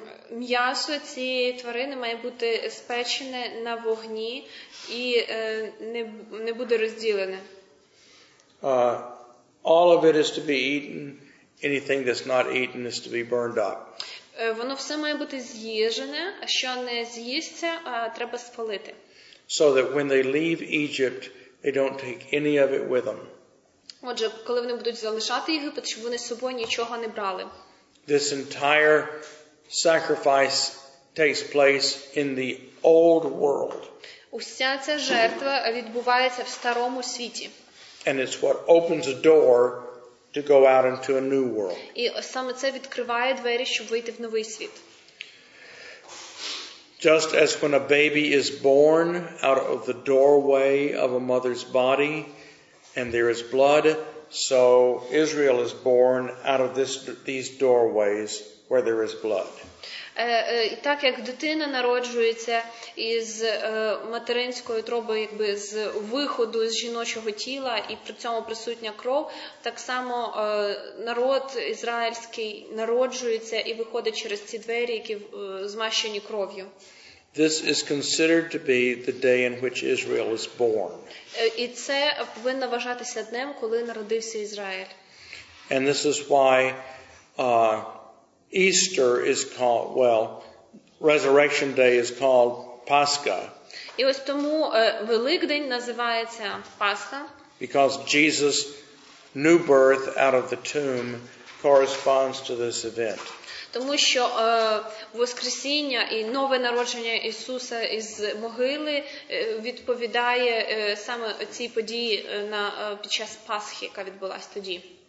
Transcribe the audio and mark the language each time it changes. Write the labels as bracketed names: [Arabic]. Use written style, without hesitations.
[Ukrainian] М'ясо цієї тварини має бути спечене на вогні і не буде розділене. [English] All of it is to be eaten. Anything that's not eaten is to be burned up. [Ukrainian] Воно все має бути з'їжене, а що не з'їсться, треба спалити. [English] So that when they leave Egypt, they don't take any of it with them. [Ukrainian] Отже, коли вони будуть залишати Єгипет, щоб вони з собою нічого не брали. [English] This entire sacrifice takes place in the old world. [Ukrainian] Уся ця жертва відбувається в старому світі. [English] And it's what opens a door to go out into a new world. [Ukrainian] І саме це відкриває двері, щоб вийти в новий світ. [English] Just as when a baby is born out of the doorway of a mother's body and there is blood, so Israel is born out of these doorways where there is blood. [Ukrainian] Так як дитина народжується із материнської утроби, якби з виходу з жіночого тіла і при цьому присутня кров, так само народ ізраїльський народжується і виходить через ці двері, які змащені кров'ю. [English] This is considered to be the day in which Israel is born. [Ukrainian] І це повинно вважатися днем, коли народився Ізраїль. [English] And this is why Easter is called, well, Resurrection Day is called Pascha. [Ukrainian] І ось тому Великдень називається Пасха. [English] Because Jesus' new birth out of the tomb corresponds to this event. [Ukrainian] Тому що воскресіння і нове народження Ісуса із могили відповідає саме цій події під час Пасхи, яка відбулась тоді.